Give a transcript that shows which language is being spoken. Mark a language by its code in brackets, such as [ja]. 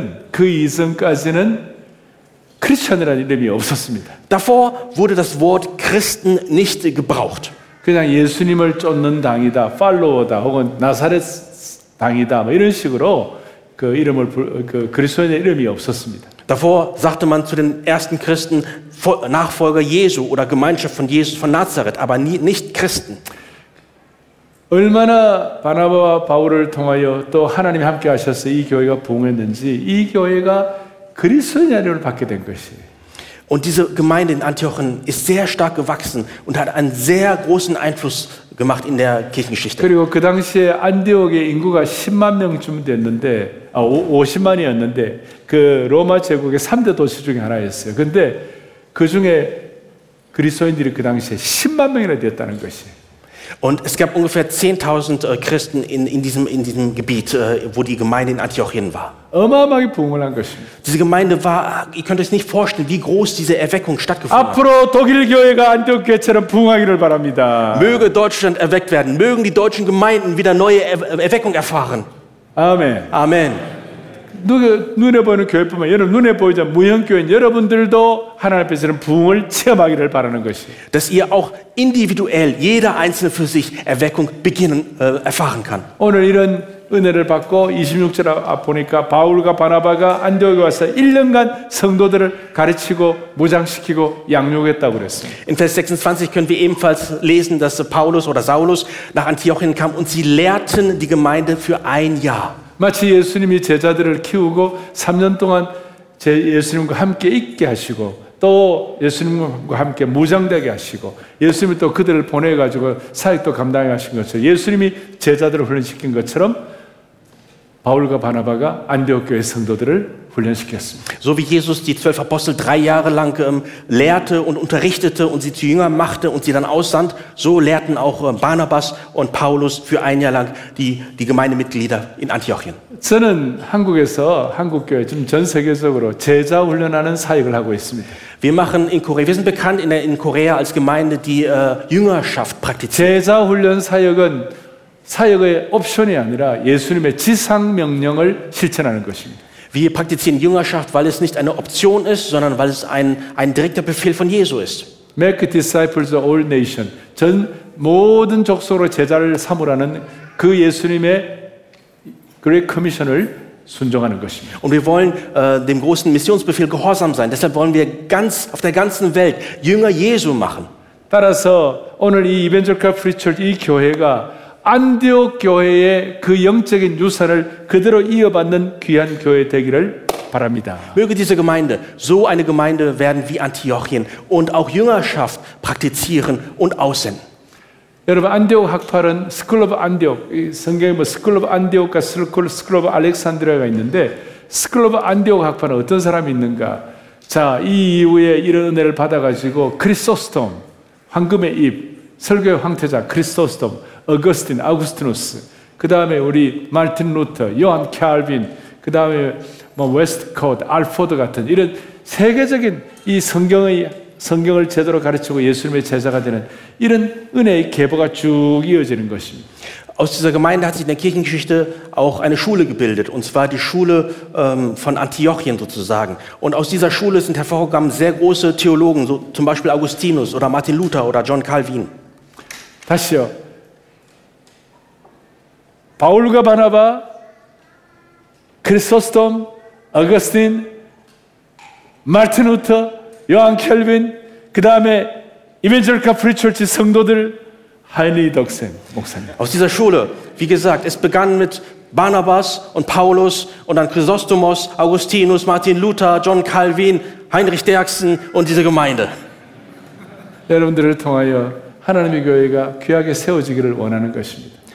[ko] 그 이전까지는 크리스천이라는 이름이 없었습니다. [de] Davor wurde das Wort Christen nicht gebraucht. [ko] 그냥 예수님을 쫓는 당이다, 팔로워다, 혹은 나사렛 당이다, 뭐 이런 식으로 그 이름을 그 그리스도인의 이름이 없었습니다. [de] Davor sagte man zu den ersten Christen Nachfolger Jesu oder Gemeinschaft von Jesus von Nazareth, aber nicht Christen. [ko] 얼마나 바나바와 바울을 통하여 또 하나님이 함께 하셔서 이 교회가 부흥했는지 이 교회가 그리스도인의 이름을 받게 된 것이. [de] Und diese Gemeinde in Antiochien ist sehr stark gewachsen und hat einen sehr großen Einfluss gemacht in der Kirchengeschichte. [ko] 그리고 그 당시에 안디옥의 인구가 10만 명쯤 됐는데, 50만이었는데, 그 로마 제국의 3대 도시 중에 하나였어요. 근데 그 중에 그리스도인들이 그 당시에 10만 명이나 되었다는 것이. [de] Und es gab ungefähr 10.000 Christen in diesem Gebiet, wo die Gemeinde in Antiochien war. [ko] 어마어마하게 부흥을 한 것입니다. [de] Diese Gemeinde war, ihr könnt euch nicht vorstellen, wie groß diese Erweckung stattgefunden hat. [ko] 앞으로 독일 교회가 안디옥 교회처럼 부흥하기를 바랍니다. [de] Möge Deutschland erweckt werden. Mögen die deutschen Gemeinden wieder neue Erweckung erfahren. Amen. Amen. [ko] 눈에 보이는 교회뿐만 여러분 눈에 보이자 무형 교회 여러분들도 하나님 앞에서는 부흥을 체험하기를 바라는 것이. [de] Dass ihr auch individuell jeder einzelne für sich Erweckung beginnen erfahren kann. [ko] 오늘 이런 은혜를 받고 26절 앞 보니까 바울과 바나바가 안디옥에 와서 1년간 성도들을 가르치고 무장시키고 양육했다고 그랬어요. [de] In Vers 26 können wir ebenfalls lesen, dass Paulus oder Saulus nach Antiochien kam und sie lehrten die Gemeinde für ein Jahr. [ko] 마치 예수님이 제자들을 키우고 3년 동안 제 예수님과 함께 있게 하시고 또 예수님과 함께 무장되게 하시고 예수님이 또 그들을 보내가지고 사역도 감당해 하신 것처럼 예수님이 제자들을 훈련시킨 것처럼 바울과 바나바가 안디옥 교회 성도들을 훈련시켰습니다. [de] So wie Jesus die 12 Apostel drei Jahre lang lehrte und unterrichtete und sie zu Jüngern machte und sie dann aussandte, so lehrten auch Barnabas und Paulus für ein Jahr lang die Gemeindemitglieder in Antiochien. [ko] 저는 한국에서 한국 교회 지금 전 세계적으로 제자 훈련하는 사역을 하고 있습니다. [de] Wir machen in Korea, wir sind bekannt in Korea als Gemeinde, die Jüngerschaft praktiziert. [ko] 제자 훈련 사역은 사역의 옵션이 아니라 예수님의 지상 명령을 실천하는 것입니다. [de] Wir praktizieren Jüngerschaft, weil es nicht eine Option ist, sondern weil es ein direkter Befehl von Jesu ist. [en] Make disciples of all nations. [ko] 전 모든 족속으로 제자를 삼으라는 그 예수님의 Great Commission을 순종하는 것입니다. [de] Und wir wollen dem großen Missionsbefehl gehorsam sein. Deshalb wollen wir ganz auf der ganzen Welt Jünger Jesu machen. [ko] 따라서 오늘 이 Evangelical Free Church 이 교회가 안디옥 교회의 그 영적인 유산을 그대로 이어받는 귀한 교회 되기를 바랍니다. [de] Möge diese Gemeinde so eine Gemeinde werden wie Antiochien und auch Jüngerschaft praktizieren und aussenden. [ko] 여러분 안디옥 학파는 School of Antioch 성경에 뭐 School of Antioch과 School of Alexandria가 있는데 School of Antioch 학파는 어떤 사람이 있는가? 자, 이 이후에 이런 은혜를 받아가지고 크리소스톰 황금의 입 설교의 황태자 크리소스톰 어거스틴, 아우구스티누스, 그 다음에 우리 마틴 루터, 요한 캘빈, 그 다음에 뭐 웨스트콧, 알포드 같은 이런 세계적인 이 성경을 제대로 가르치고 예수님의 제자가 되는 이런 은혜의 계보가 쭉 이어지는 것입니다. [de] Aus dieser Gemeinde hat sich in der Kirchengeschichte auch eine Schule gebildet, und zwar die Schule von Antiochien sozusagen. Und aus dieser Schule sind hervorgegangen sehr große Theologen, so zum Beispiel Augustinus oder Martin Luther oder John Calvin. [ko] 다시요. 바울과 바나바, 크리소스톰, 어거스틴, 마틴 루터, 요한 켈빈, 그 다음에 이벤젤카 프리처치 성도들, 하이니 덕센 목사님. [de] Aus dieser Schule, wie gesagt, es begann mit Barnabas und Paulus und dann Chrysostomos, Augustinus, Martin Luther, John Calvin, Heinrich Derksen und diese Gemeinde. [ko] 여러분들을 통하여 하나님의 교회가 귀하게 세워지기를 원하는 것입니다.